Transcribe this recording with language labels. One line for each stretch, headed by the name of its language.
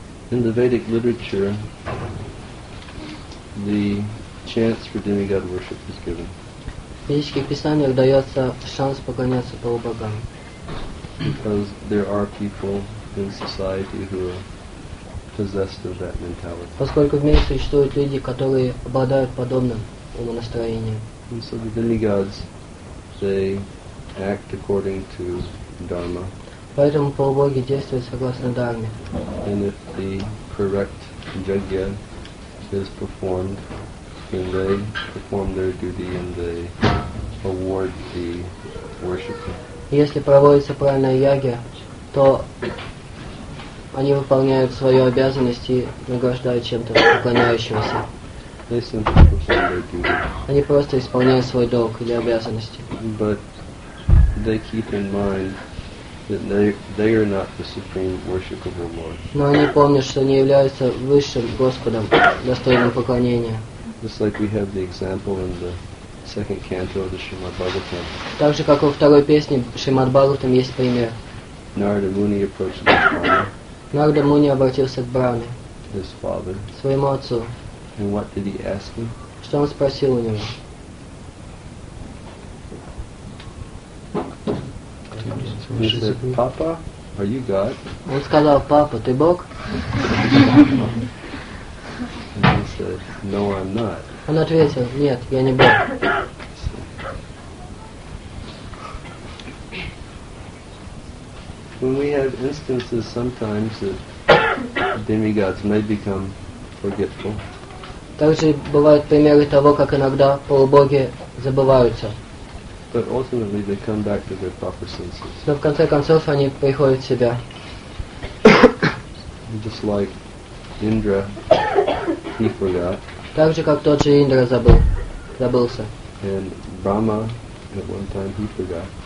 English: In the Vedic literature, the chance for demigod worship is given.
Russian: В физических писаниях дается шанс поклоняться полубогам.
English: Because there are people in society who are possessed of that mentality.
Russian: Поскольку в мире существуют люди, которые обладают подобным умонастроением.
English: And so the demigods, they act according to dharma.
Russian: Поэтому полубоги действуют согласно дхарме.
English: And if the correct yajna is performed, then they perform their duty and they award the worshipper.
Russian: Если проводится правильная яги, то они выполняют свою обязанность и награждают чем-то поклоняющегося.
English: They simply perform their duty.
Russian: Они просто исполняют свой долг или обязанности.
English: But they keep in mind that they are not the supreme worshipable Lord.
Russian: Но они помнят, что они являются высшим Господом, достойным поклонения.
English: Just like we have the example in the second canto of the Srimad Bhagavatam.
Russian: Так же, как во второй песне Шримад Бхагаватам есть пример.
English: Narada Muni approached the Brahma.
Russian: Narada Muni обратился к Брахме.
English: His father.
Russian: Своему отцу.
English: And what did he ask him?
Russian: Что он спросил у него?
English: He said, Papa, are you God?
Russian: Он сказал, Папа, ты Бог?
English: And he said, No, I'm not.
Russian: Он ответил, нет, я не Бог.
English: When we have instances sometimes that demigods may become forgetful.
Russian: Также бывают примеры того, как иногда полубоги забываются.
English: But ultimately they come back to their proper senses.
Russian: Но в конце концов они приходят в себя.
English: Just like Indra, he forgot.
Russian: Так же, как тот же Индра забылся.
English: And Brahma, at one time, he forgot.